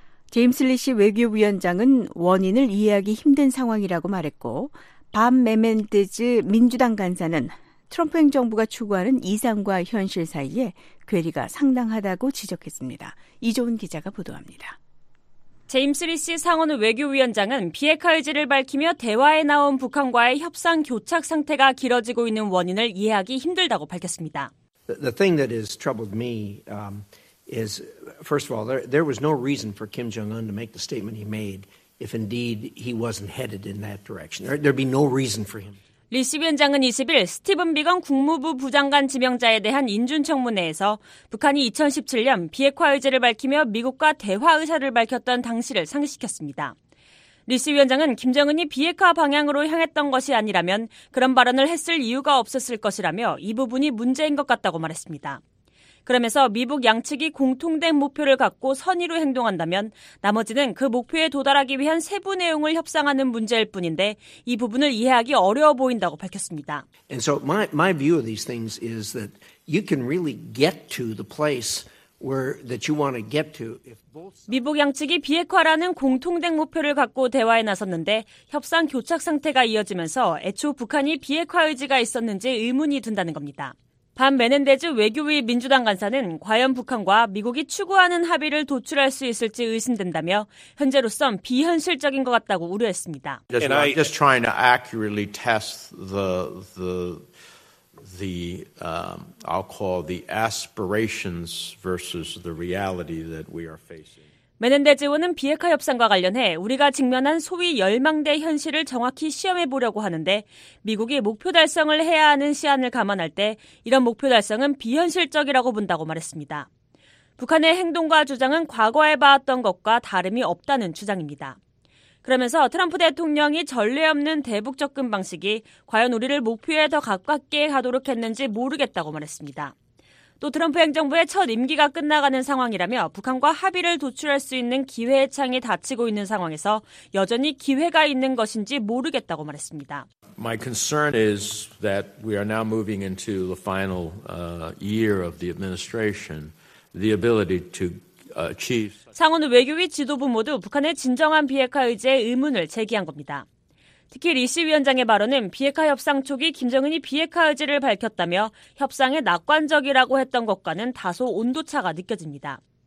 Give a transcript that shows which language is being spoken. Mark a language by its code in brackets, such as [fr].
[ko] 제임스 리시 외교위원장은 원인을 이해하기 힘든 상황이라고 말했고 밤 메멘데즈 민주당 간사는 트럼프 행정부가 추구하는 이상과 현실 사이에 괴리가 상당하다고 지적했습니다. 이종훈 기자가 보도합니다. 제임스 리시 상원 외교위원장은 비핵화 의지를 밝히며 대화에 나온 북한과의 협상 교착 상태가 길어지고 있는 원인을 이해하기 힘들다고 밝혔습니다. [en] The thing that has troubled me is first of all there was no reason for Kim Jong-un to make the statement he made. If indeed he wasn't headed in that direction, there'd be no reason for him. [ko] 리시 위원장은 20일 스티븐 비건 국무부 부장관 지명자에 대한 인준청문회에서 북한이 2017년 비핵화 의지를 밝히며 미국과 대화 의사를 밝혔던 당시를 상기시켰습니다. 리시 위원장은 김정은이 비핵화 방향으로 향했던 것이 아니라면 그런 발언을 했을 이유가 없었을 것이라며 이 부분이 문제인 것 같다고 말했습니다. 그러면서 미북 양측이 공통된 목표를 갖고 선의로 행동한다면 나머지는 그 목표에 도달하기 위한 세부 내용을 협상하는 문제일 뿐인데 이 부분을 이해하기 어려워 보인다고 밝혔습니다. [en] And so my view of these things is that you can really get to the place where that you want to get to if both [ko] 미북 양측이 비핵화라는 공통된 목표를 갖고 대화에 나섰는데 협상 교착 상태가 이어지면서 애초 북한이 비핵화 의지가 있었는지 의문이 든다는 겁니다. 밤 메넨데즈 외교위 민주당 간사는 과연 북한과 미국이 추구하는 합의를 도출할 수 있을지 의심된다며 현재로선 비현실적인 것 같다고 우려했습니다. [en] And I'm just trying to accurately test the I'll call the aspirations versus the reality that we are facing. [ko] 메넨데즈 의원은 비핵화 협상과 관련해 우리가 직면한 소위 열망대 현실을 정확히 시험해보려고 하는데 미국이 목표 달성을 해야 하는 시안을 감안할 때 이런 목표 달성은 비현실적이라고 본다고 말했습니다. 북한의 행동과 주장은 과거에 봐왔던 것과 다름이 없다는 주장입니다. 그러면서 트럼프 대통령이 전례 없는 대북 접근 방식이 과연 우리를 목표에 더 가깝게 가도록 했는지 모르겠다고 말했습니다. 또 트럼프 행정부의 첫 임기가 끝나가는 상황이라며 북한과 합의를 도출할 수 있는 기회의 창이 닫히고 있는 상황에서 여전히 기회가 있는 것인지 모르겠다고 말했습니다. [en] My concern is that we are now moving into the final year of the administration. The ability to achieve [ko] 상원 외교위 지도부 모두 북한의 진정한 비핵화 의지에 의문을 제기한 겁니다. 특히 리시 위원장의 발언은 비핵화 협상 초기 김정은이 비핵화 의지를 밝혔다며 협상에 낙관적이라고 했던 것과는 다소 온도차가 느껴집니다.